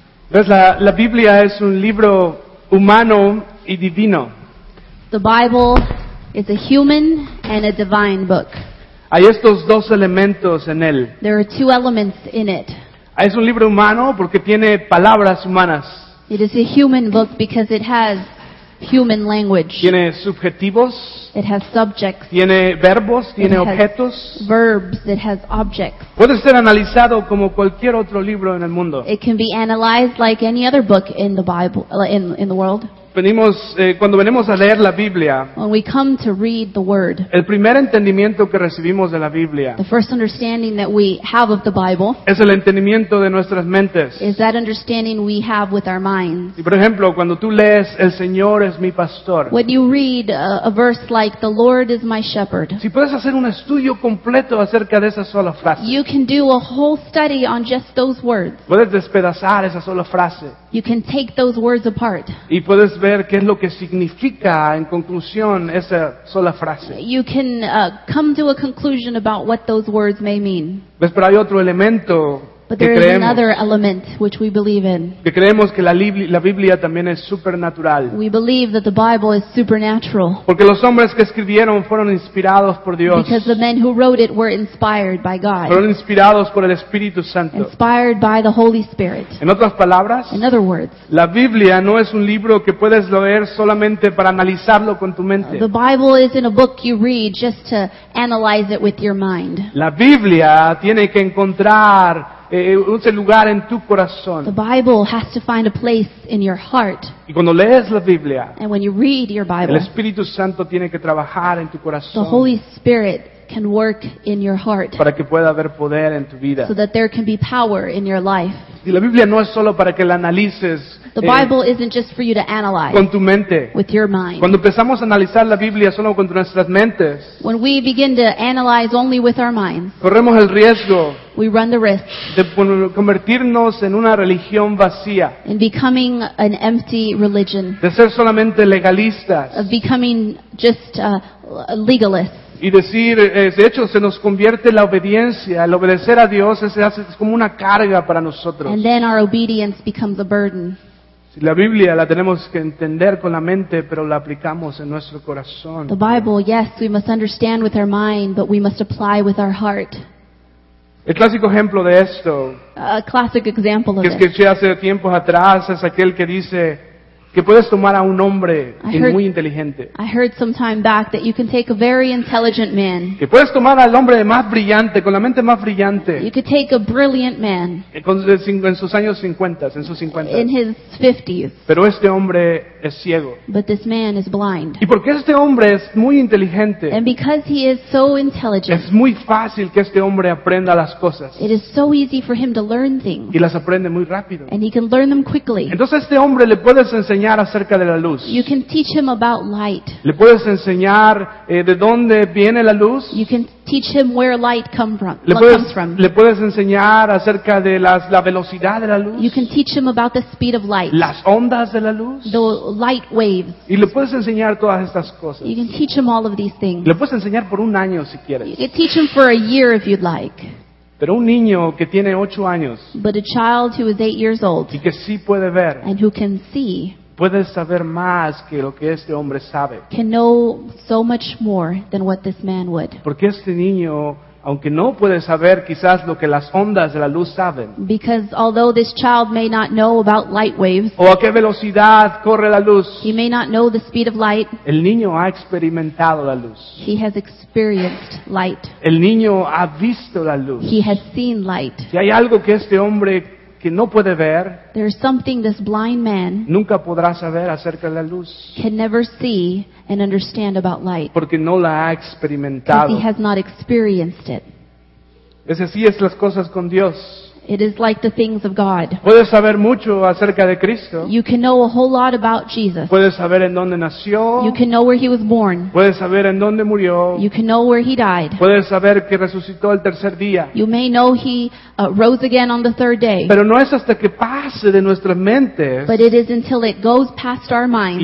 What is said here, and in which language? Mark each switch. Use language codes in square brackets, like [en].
[es] Pues la Biblia es un libro humano y divino. [en] The Bible is a human and a divine book. [es] Hay estos dos elementos en él. [en] There are two elements in it. [es] Es un libro humano porque tiene palabras humanas. [en] It is a human book because it has human language. [es] Tiene subjetivos. [en] It has subjects. [es] Tiene verbos, tiene objetos. [en] Verbs, it has objects. [es] Puede ser analizado como cualquier otro libro en el mundo. [en] It can be analyzed like any other book in the Bible, in the world. [es] Venimos, cuando venimos a leer la Biblia, [en] when we come to read the Word, [es] el primer entendimiento que recibimos de la Biblia, [en] the first understanding that we have of the Bible, [es] es el entendimiento de nuestras mentes, [en] is that understanding we have with our minds. [es] Y por ejemplo, cuando tú lees, el Señor es mi pastor, [en] when you read a verse like, the Lord is my shepherd, [es] si puedes hacer un estudio completo acerca de esa sola frase, [en] you can do a whole study on just those words. [es] Puedes despedazar esa sola frase, [en] you can take those words apart, [es] y puedes ver qué es lo que significa en conclusión esa sola frase. [en] You can come to a conclusion about what those words may mean. [es] Pues, pero hay otro elemento que creemos. [en] But another element which we believe in. [es] Que creemos que la Biblia también es supernatural. [en] We believe that the Bible is supernatural. [es] Porque los hombres que escribieron fueron inspirados por Dios. [en] Because the men who wrote it were inspired by God. [es] Fueron inspirados por el Espíritu Santo. [en] Inspired by the Holy Spirit. [es] En otras palabras, [en] in other words, [es] la Biblia no es un libro que puedes leer solamente para analizarlo con tu mente. [en] The Bible isn't a book you read just to analyze it with your mind. [es] La Biblia tiene que encontrar un lugar en tu corazón. [en] The Bible has to find a place in your heart. [es] Y cuando lees la Biblia, [en] and when you read your Bible, [es] el Espíritu Santo tiene que trabajar en tu corazón. [en] The Holy Spirit can work in your heart. [es] Para que pueda haber poder en tu vida. [en] So that there can be power in your life. [es] Y la Biblia no es solo para que la analices. [en] The Bible isn't just for you to analyze. [es] Con tu mente. [en] With your mind. [es] Cuando empezamos a analizar la Biblia solo con nuestras mentes, [en] when we begin to analyze only with our minds, [es] corremos el riesgo, [en] we run the risk, [es] de convertirnos en una religión vacía, [en] in becoming an empty religion, [es] de ser solamente legalistas, [en] of becoming just legalists. [es] Y decir, de hecho, se nos convierte la obediencia, el obedecer a Dios es como una carga para nosotros. [en] And then our obedience becomes a burden. [es] La Biblia la tenemos que entender con la mente, pero la aplicamos en nuestro corazón. [en] The Bible, yes, we must understand with our mind, but we must apply with our heart. [es] El clásico ejemplo de esto, [en] a classic example of [es] que escuché hace tiempos atrás, es aquel que dice que puedes tomar a un hombre muy inteligente. [en] I heard some time back that you can take a very intelligent man. [es] Que puedes tomar al hombre más brillante, con la mente más brillante. [en] You could take a brilliant man. [es] En sus años 50, en sus 50. [en] In his 50s. [es] Pero este hombre es ciego. [en] But this man is blind. [es] Y porque este hombre es muy inteligente. [en] And because he is so intelligent. [es] Es muy fácil que este hombre aprenda las cosas. [en] It is so easy for him to learn things. [es] Y las aprende muy rápido. [en] And he can learn them quickly. [es] Entonces este hombre le puedes enseñar acerca de la luz. [en] You can teach him about light. [es] Le puedes enseñar de dónde viene la luz. [en] You can teach him where light come from, comes from. [es] Le puedes enseñar acerca de la velocidad de la luz. [en] You can teach him about the speed of light. [es] Las ondas de la luz. [en] The light waves. [es] Y le puedes enseñar todas estas cosas. [en] You can teach him all of these things. [es] Le puedes enseñar por un año si quieres. [en] You can teach him for a year if you'd like. [es] Pero un niño que tiene 8 años, [en] but a child who is 8 years old, [es] y que sí puede ver, [en] and who can see, [es] puede saber más que lo que este hombre sabe, [en] can know so much more than what this man would. [es] Porque este niño, aunque no puede saber quizás lo que las ondas de la luz saben, [en] because although this child may not know about light waves, [es] o a qué velocidad corre la luz, [en] he may not know the speed of light, [es] el niño ha experimentado la luz, [en] he has experienced light, [es] el niño ha visto la luz, [en] he has seen light. [es] Si hay algo que este hombre que no puede ver, [en] there is something this blind man [es] nunca podrá saber acerca de la luz, [en] can never see and understand about light, [es] porque no la ha experimentado, [en] because he has not experienced it. [es] Es así es las cosas con Dios. [en] It is like the things of God. [es] Puedes saber mucho acerca de Cristo. [en] You can know a whole lot about Jesus. [es] Puedes saber en dónde nació. [en] You can know where he was born. [es] Puedes saber en dónde murió. [en] You can know where he died. [es] Puedes saber que resucitó el tercer día. [en] You may know he rose again on the third day. [es] Pero no es hasta que pase de nuestras mentes. [en] But it is until it goes past our minds.